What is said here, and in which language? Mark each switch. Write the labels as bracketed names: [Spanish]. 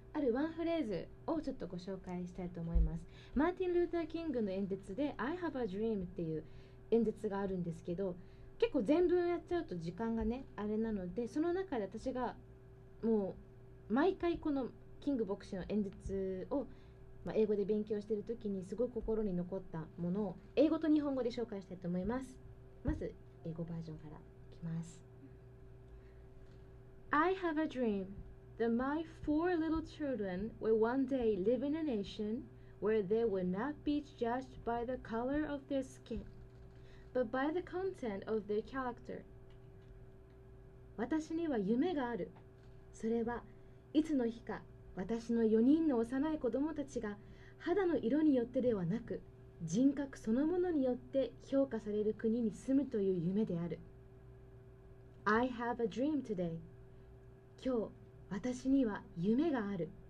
[Japanese] あるワンフレーズをちょっとご紹介したいと思います。マーティン・ルーター・キングの演説で [English] I have a dream [Japanese] っていう演説があるんですけど、結構全文やっちゃうと時間がねあれなので、その中で私がもう毎回このキング牧師の演説を、まあ、英語で勉強しているときにすごく心に残ったものを英語と日本語で紹介したいと思います。まず英語バージョンからいきます。 [English] I have a dream that my four little children will one day live in a nation where they will not be judged by the color of their skin but by the content of their character。 [Japanese] 私には夢がある。それはいつの日か私の4人の幼い子供たちが肌の色によってではなく人格そのものによって評価される国に住むという夢である。 [English] I have a dream today。 [Japanese] 今日私には夢がある。